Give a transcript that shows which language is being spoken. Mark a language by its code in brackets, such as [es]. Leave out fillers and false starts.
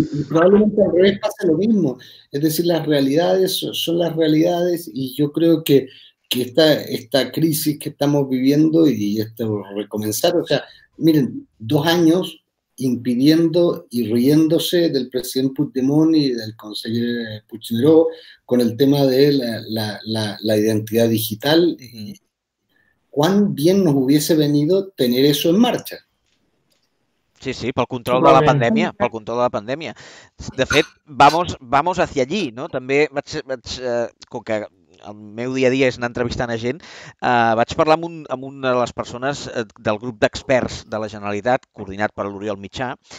[es] Probablemente al revés pasa lo mismo. Es decir, las realidades son las realidades y yo creo que esta crisis que estamos viviendo y esto recomenzar, o sea, miren, 2 años impidiendo y riéndose del presidente Puigdemont y del conseller Puigneró con el tema de la identidad digital. ¿Cuán bien nos hubiese venido tener eso en marcha? [ca] Sí, sí, pel control de la pandèmia, pel control de la pandèmia. De fet, [es] vamos hacia allí, no? [ca] També vaig com que el meu dia a dia és anar entrevistant a gent, vaig parlar amb una de les persones del grup d'experts de la Generalitat, coordinat per l'Oriol Mitjà.